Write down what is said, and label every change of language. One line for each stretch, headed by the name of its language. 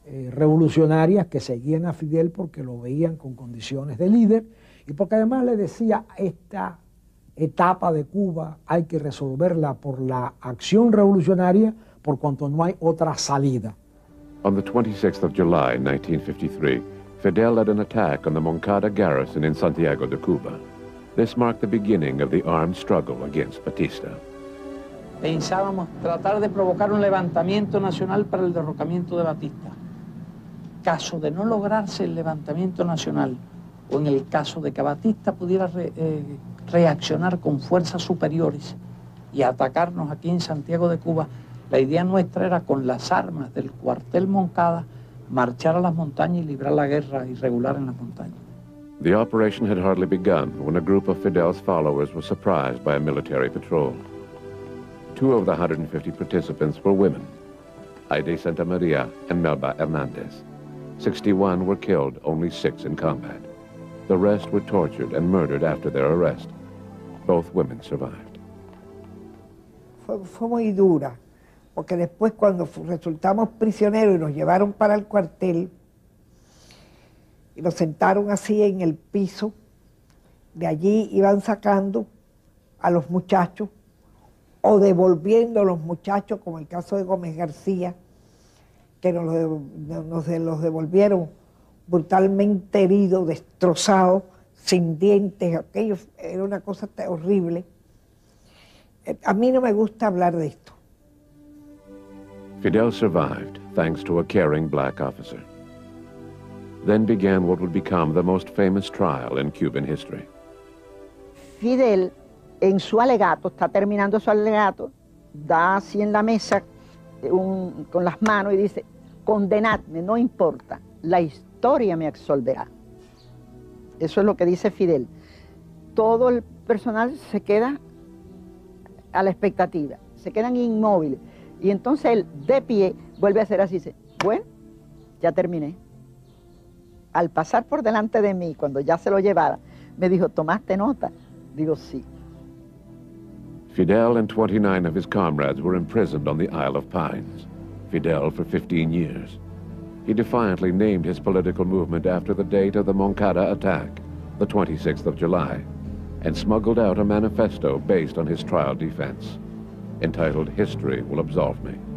Spanish: revolucionarias que seguían a Fidel porque lo veían con condiciones de líder y porque además le decía, esta etapa de Cuba hay que resolverla por la acción revolucionaria por cuanto no hay otra salida.
English: On the 26th of July, 1953, Fidel led an attack on the Moncada garrison in Santiago de Cuba. This marked the beginning of the armed struggle against Batista.
Spanish: Pensábamos tratar de provocar un levantamiento nacional para el derrocamiento de Batista. Caso de no lograrse el levantamiento nacional, o en el caso de que Batista pudiera reaccionar con fuerzas superiores y atacarnos aquí en Santiago de Cuba, la idea nuestra era, con las armas del cuartel Moncada, marchar a las montañas y librar la guerra irregular en las montañas.
English: The operation had hardly begun when a group of Fidel's followers was surprised by a military patrol. Two of the 150 participants were women, Aide Santa Maria and Melba Hernandez. 61 were killed, only 6 in combat. The rest were tortured and murdered after their arrest. Both women survived.
Spanish: Fue muy dura, porque después cuando resultamos prisioneros y nos llevaron para el cuartel, y nos sentaron así en el piso, de allí iban sacando a los muchachos, o devolviendo a los muchachos, como el caso de Gómez García, que nos los devolvieron brutalmente herido, destrozado, sin dientes, aquello era una cosa horrible. A mí no me gusta hablar de esto.
English: Fidel survived thanks to a caring black officer. Then began what would become the most famous trial in Cuban history.
Spanish: Fidel, en su alegato, está terminando su alegato, da así en la mesa con las manos y dice, condenadme, no importa, la historia me absolverá. Eso es lo que dice Fidel. Todo el personal se queda a la expectativa, se quedan inmóviles. Y entonces él, de pie, vuelve a hacer así, dice, bueno, ya terminé. Al pasar por delante de mí, cuando ya se lo llevara, me dijo, ¿tomaste nota? Digo, sí.
English: Fidel and 29 of his comrades were imprisoned on the Isle of Pines. Fidel for 15 years. He defiantly named his political movement after the date of the Moncada attack, the 26th of July, and smuggled out a manifesto based on his trial defense, entitled History Will Absolve Me.